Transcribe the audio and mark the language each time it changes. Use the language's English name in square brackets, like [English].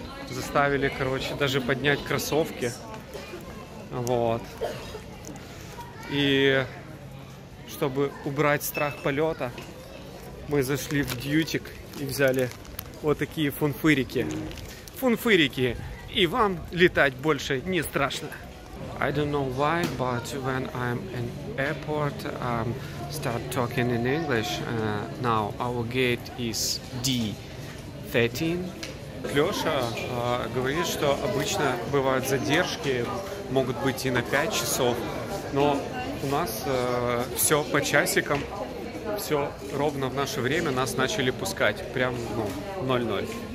[Russian] Заставили, короче, даже поднять кроссовки. Вот. И чтобы убрать страх полета, мы зашли в дьютик и взяли вот такие фунфырики. Фунфырики! И вам летать больше не страшно. [English] I don't know why, but when I'm in airport, I start talking in English. Now our gate is D13. [Russian] Лёша говорит, что обычно бывают задержки, могут быть и на 5 часов, но у нас все по часикам, все ровно в наше время нас начали пускать, прям 00.